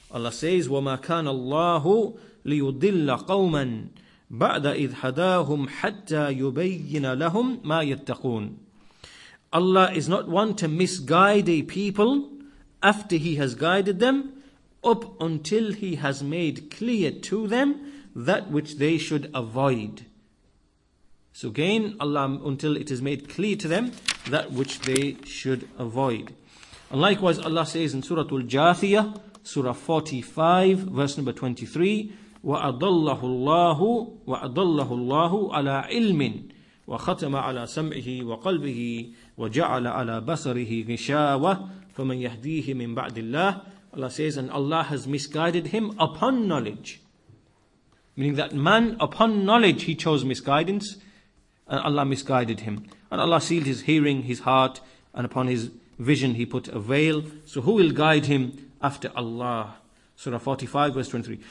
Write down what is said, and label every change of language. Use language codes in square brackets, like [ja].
[en] Allah says, [ar] وَمَا كَانَ اللَّهُ لِيُضِلَّ قَوْمًا بَعْدَ إِذْ هَدَاهُمْ حَتَّى يُبَيِّنَ لَهُمْ مَا يَتَّقُونَ. [en] Allah is not one to misguide a people after he has guided them up until he has made clear to them that which they should avoid. So again, Allah, until it is made clear to them that which they should avoid. And likewise, Allah says in Surah Al-Jathiyah, Surah 45, verse number 23, [ar] وَأَضَلَّهُ اللَّهُ عَلَىٰ عِلْمٍ وَخَتَمَ عَلَىٰ سَمْعِهِ وَقَلْبِهِ وَجَعَلَ عَلَىٰ بَصَرِهِ غِشَاوَةً فَمَنْ يَهْدِيهِ مِنْ بَعْدِ اللَّهِ. [en] Allah says, and Allah has misguided him upon knowledge. Meaning that man, upon knowledge, he chose misguidance, and Allah misguided him. And Allah sealed his hearing, his heart, and upon his vision he put a veil. So who will guide him after Allah? Surah 45, verse 23.